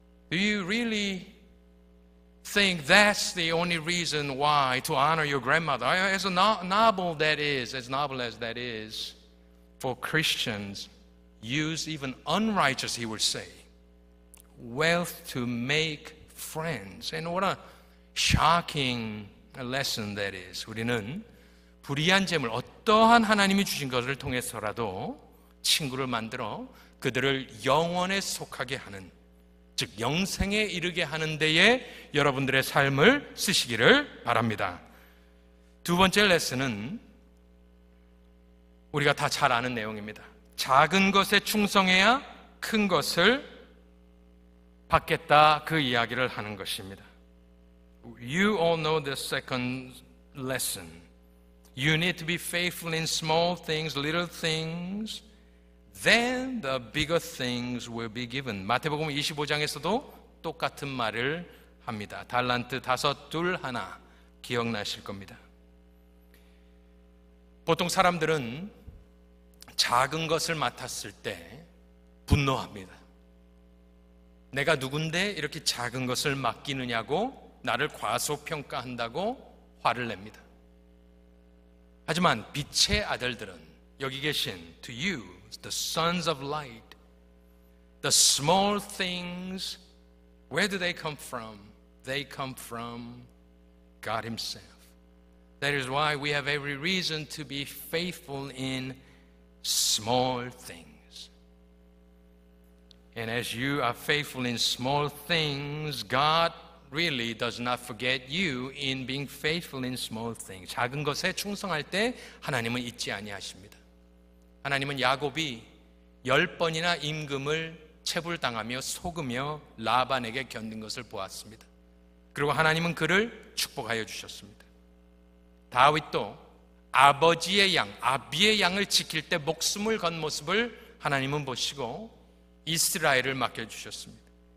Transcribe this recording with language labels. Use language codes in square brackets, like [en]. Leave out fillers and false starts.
[en] Do you really think that's the only reason why to honor your grandmother? As novel that is, as novel as that is, for Christians, use even unrighteous, he would say, wealth to make friends. And what a shocking lesson that is. [ko] 우리는 불의한 재물, 어떠한 하나님이 주신 것을 통해서라도 친구를 만들어 그들을 영원에 속하게 하는, 즉 영생에 이르게 하는 데에 여러분들의 삶을 쓰시기를 바랍니다. 두 번째 레슨은 우리가 다 잘 아는 내용입니다. 작은 것에 충성해야 큰 것을 받겠다, 그 이야기를 하는 것입니다. [en] You all know the second lesson. You need to be faithful in small things, little things. Then the bigger things will be given. [ko] 마태복음 25장에서도 똑같은 말을 합니다. 달란트 다섯, 둘, 하나 기억나실 겁니다. 보통 사람들은 작은 것을 맡았을 때 분노합니다. 내가 누군데 이렇게 작은 것을 맡기느냐고 나를 과소평가한다고 화를 냅니다. 하지만 빛의 아들들은, 여기 계신 [en] to you, the sons of light, the small things, where do they come from? They come from God himself. That is why we have every reason to be faithful in small things. And as you are faithful in small things, God really does not forget you in being faithful in small things. [ko] 작은 것에 충성할 때 하나님은 잊지 아니하십니다. 하나님은 야곱이 열 번이나 임금을 체불당하며 속으며 라반에게 견딘 것을 보았습니다. 그리고 하나님은 그를 축복하여 주셨습니다. 다윗도 아버지의 양, 아비의 양을 지킬 때 목숨을 건 모습을 하나님은 보시고 이스라엘을 맡겨주셨습니다.